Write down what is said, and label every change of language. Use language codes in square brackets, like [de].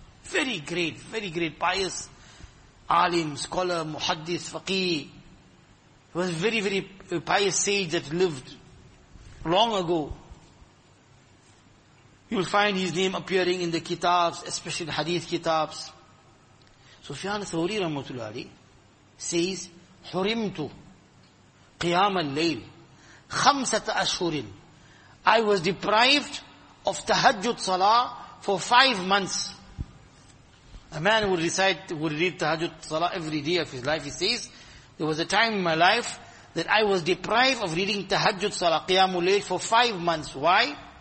[en] Very great, pious alim, scholar, muhaddith, faqih. He was a very, very pious sage that lived long ago. You'll find his name appearing in the kitabs, especially the hadith kitabs. [ar] Sufyan al-Thawri rahmatullahi [en] says, [ar] حُرِمْتُ قِيَامَ اللَّيْلِ خَمْسَةَ أَشْهُرٍ. [en] I was deprived of tahajjud salah for 5 months. A man would recite, would read tahajjud salah every day of his life. He says, there was a time in my life that I was deprived of reading tahajjud salah, [ar] قِيَامُ اللَّيْلِ [en] for 5 months. Why?